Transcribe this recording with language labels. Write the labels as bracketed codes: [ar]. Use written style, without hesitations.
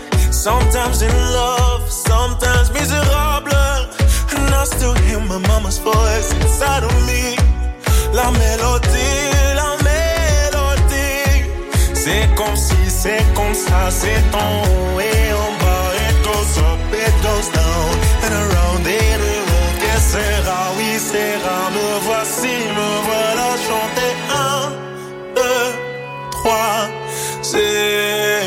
[en] Sometimes in love, sometimes miserable. And I still hear my mama's voice inside of me. [fr] La mélodie, la mélodie. C'est comme si, c'est comme ça, c'est en haut et en bas. [en] It goes up, it goes down, and around it all. [fr] Que sera, oui, sera, me voici, me voilà. Chanter un, deux, trois, c'est...